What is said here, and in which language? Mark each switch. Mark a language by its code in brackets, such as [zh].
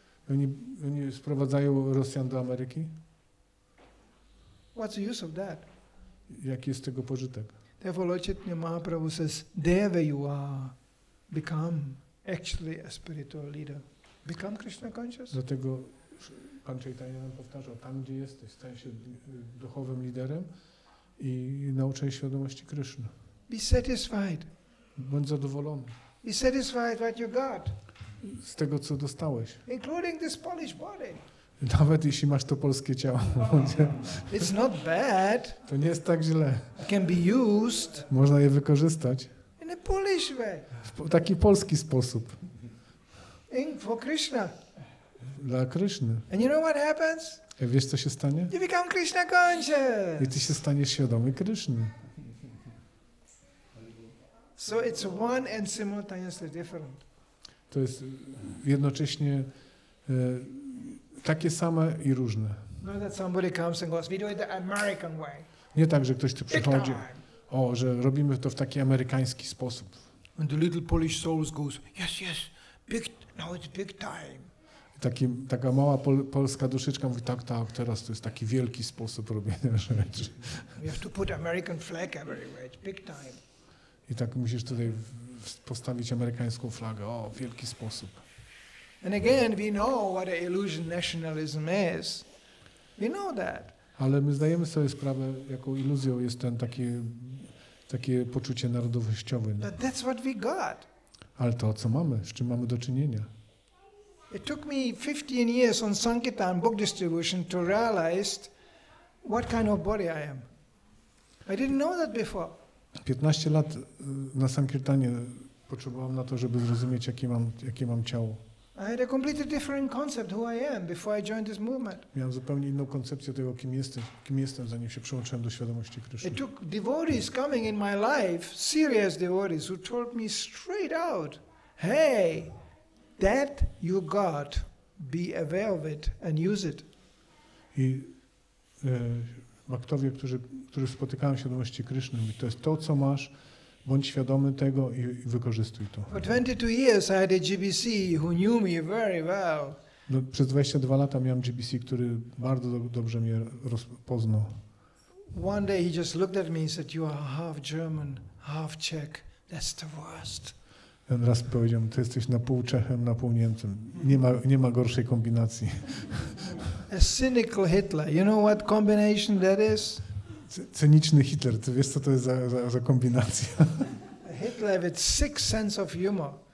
[pl] Oni sprowadzają Rosjan do Ameryki. [en] What's the use of that? [pl] Jaki jest tego pożytek? [en] Therefore, Lord Chaitanya Mahaprabhu says, there where you are, become actually a spiritual leader. Become Krishna conscious. [pl] Dlatego Pan Chaitanya nam powtarzał, tam gdzie jesteś, staj się duchowym liderem i nauczaj świadomości Krishna. [en] Be satisfied. [pl] Bądź zadowolony. [en] Be satisfied what you got. [pl] Z tego, co dostałeś. [en] Including this Polish body. [pl] Nawet jeśli masz to polskie ciało. [en] Oh, it's not bad. [pl] To nie jest tak źle. [en] It can be used. [pl] Można je wykorzystać. [en] In a Polish way. [pl] W taki polski sposób. [en] For Krishna. [pl] Dla Kryszny. [en] And you know what happens? [pl] A wiesz, co się stanie? [en] You become Krishna conscious. [pl] I ty się staniesz świadomy Kryszny. [en] So it's one and simultaneously different. [pl] To jest jednocześnie takie same i różne. [en] No, that somebody comes and goes, we do it the American way. [pl] Nie tak, że ktoś tu przychodzi. O, że robimy to w taki amerykański sposób. [en] And the little Polish souls goes, yes, yes, big, now it's big time. [pl] Taka mała polska duszyczka mówi, tak, teraz to jest taki wielki sposób robienia rzeczy. [en] You have to put American flag everywhere, it's big time. [pl] I tak musisz tutaj postawić amerykańską flagę, o, wielki sposób. [en] And again, we know what an illusion nationalism is. We know that. [pl] Ale my zdajemy sobie sprawę, jaką iluzją jest ten takie poczucie narodowościowe. [en] But that's what we got. [pl] Ale to, co mamy, z czym mamy do czynienia. [en] It took me 15 years on Sankirtan book distribution to realize what kind of body I am. I didn't know that before. [pl] 15 lat na Sankirtanie potrzebowałem na to, żeby zrozumieć, jakie mam ciało. [en] I had a completely different concept who I am before I joined this movement. [pl] Miałem zupełnie inną koncepcję tego, kim jestem, zanim się przyłączyłem do świadomości Kryszny. [en] It took devotees coming in my life, serious devotees, who told me straight out, hey, that you got, be aware of it and use it. [pl] I baktowie, którzy spotykają świadomości Kryszny, mówią, to jest to, co masz, Bądź świadomy tego i wykorzystuj to. [en] For 22 years I had a GBC who knew me very well. [pl] No, przez 22 lata miałem GBC, który bardzo dobrze mnie rozpoznał. [en] One day he just looked at me and said, "You are half German, half Czech. That's the worst." [pl] On raz powiedział, ty jesteś na pół Czechem, na pół Niemcem. Nie ma gorszej kombinacji. [en] A cynical Hitler. You know what combination that is? [pl] Cyniczny Hitler. Ty wiesz, co to jest za kombinacja? [en] A Hitler with sick sense of humor.